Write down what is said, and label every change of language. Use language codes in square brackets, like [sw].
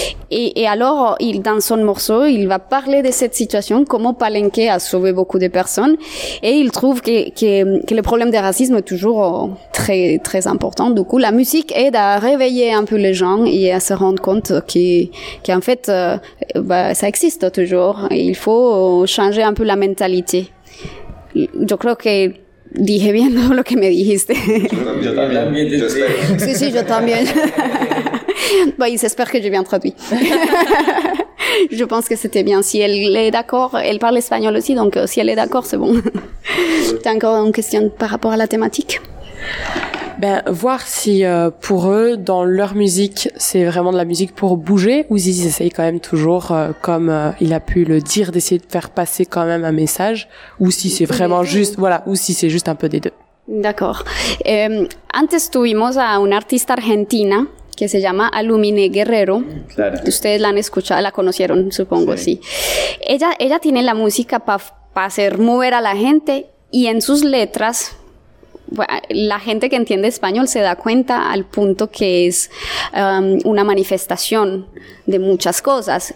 [fr] Et alors, dans son morceau, il va parler de cette situation, comment Palenque a sauvé beaucoup de personnes. Et il trouve que le problème de racisme est toujours très, très important. Du coup, la musique aide à réveiller un peu les gens et à se rendre compte qu'en fait, ça existe toujours. Et il faut changer un peu la mentalité. [es] Yo creo que dije bien todo lo que me dijiste. Yo también. Sí, yo también. Bueno, pues, espero que yo [fr] bien traduit. [es] Yo pienso que [fr] c'était bien. [es] Si él [fr] est d'accord, él parle español aussi, donc si él est d'accord, c'est bon. T'as encore une question par rapport à la thématique? Ben, voir si pour eux, dans leur musique, c'est vraiment de la musique pour bouger, ou s'ils essayent quand même toujours, comme il a pu le dire, d'essayer de faire passer quand même un message, ou si c'est vraiment juste, voilà, ou si c'est juste un peu des deux. D'accord. [es] Antes tuvimos a una artista argentina que se llama Alumine Guerrero. Claro. Ustedes la han escuchado, la conocieron, supongo, sí. Ella tiene la música pa hacer mover a la gente, y en sus letras, la gente que entiende español se da cuenta al punto que es una manifestación de muchas cosas.